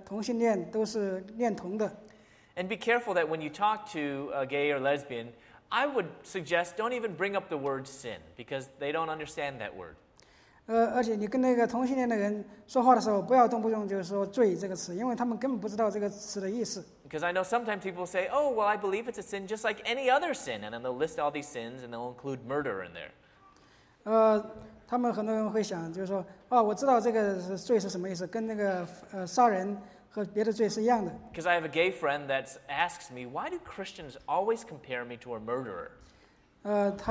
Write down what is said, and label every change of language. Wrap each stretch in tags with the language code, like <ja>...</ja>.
<zh>实际上并不是所有的同性恋都是恋童的。</zh> <en>And be careful that when you talk to a gay or lesbian, I would suggest don't even bring up the word sin, because they don't understand that word.</en> <zh>而且你跟那个同性恋的人说话的时候，不要动不动就是说罪这个词， 因为他们根本不知道这个词的意思。</zh> <en>Because I know sometimes people say, oh, well, I believe it's a sin just like any other sin, and then they'll list all these sins, and they'll include murder in there.</en> <zh>他们很多人会想，就是说，哦，我知道这个罪是什么意思，跟那个杀人和别的罪是一样的。</zh> <en>Because I have a gay friend that asks me, why do Christians always compare me to a murderer?</en>